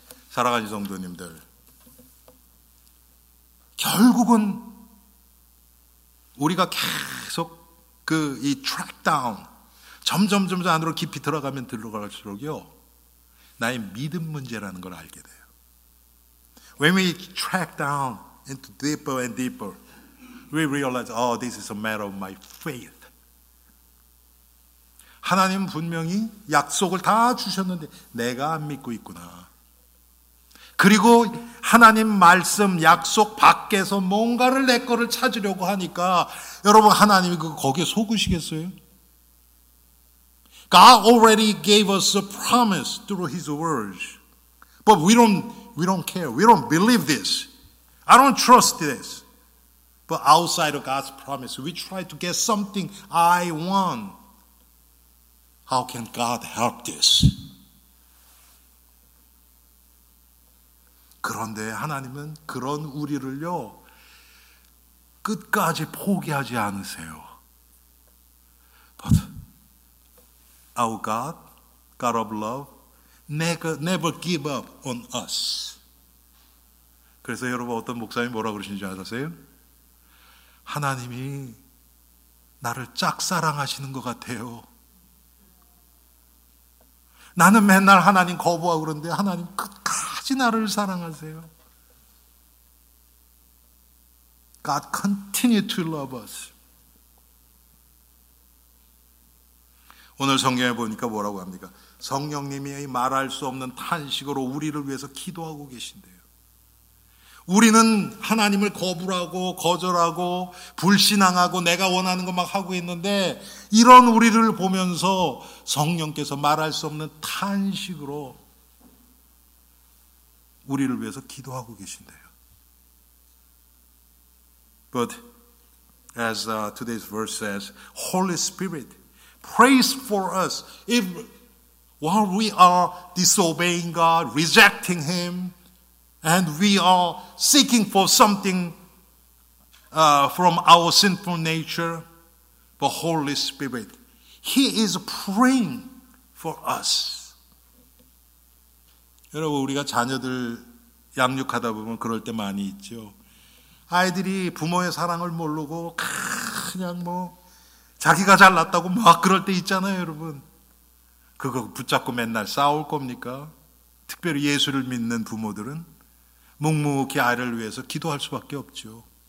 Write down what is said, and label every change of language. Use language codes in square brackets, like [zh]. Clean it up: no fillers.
[ko] 사랑하는 성도님들, 결국은 우리가 계속 그 이 [en] track down [ko] 점점 안으로 깊이 들어가면 들어갈수록요, 나의 믿음 문제라는 걸 알게 돼요. [en] When we track down into deeper and deeper, we realize, oh, this is a matter of my faith. [ko] 하나님 분명히 약속을 다 주셨는데 내가 안 믿고 있구나. 그리고 하나님 말씀 약속 밖에서 뭔가를 내 거를 찾으려고 하니까 여러분 하나님이 거기에 속으시겠어요? [en] God already gave us a promise through His words, but we don't care. We don't believe this. I don't trust this. But outside of God's promise, we try to get something I want. How can God help this? [ko] 그런데 하나님은 그런 우리를요 끝까지 포기하지 않으세요. [en] But our God, God of love, never give up on us. [ko] 그래서 여러분 어떤 목사님이 뭐라고 그러신지 아세요? 하나님이 나를 짝사랑하시는 것 같아요. 나는 맨날 하나님 거부하고 그러는데 하나님 끝까지 나를 사랑하세요. [en] God continue to love us. [ko] 오늘 성경에 보니까 뭐라고 합니까? 성령님이 말할 수 없는 탄식으로 우리를 위해서 기도하고 계신대요. 우리는 하나님을 거부하고 거절하고 불신앙하고 내가 원하는 거 막 하고 있는데 이런 우리를 보면서 성령께서 말할 수 없는 탄식으로 우리를 위해서 기도하고 계신대요. [en] But as today's verse says, Holy Spirit prays for us if while we are disobeying God, rejecting Him, and we are seeking for something from our sinful nature, the Holy Spirit, He is praying for us. [ko] 여러분, 우리가 자녀들 양육하다 보면 그럴 때 많이 있죠. 아이들이 부모의 사랑을 모르고 그냥 뭐 자기가 잘났다고 막 그럴 때 있잖아요, 여러분. 그거 붙잡고 맨날 싸울 겁니까? 특별히 예수를 믿는 부모들은 묵묵히 아이를 위해서 기도할 수밖에 없죠.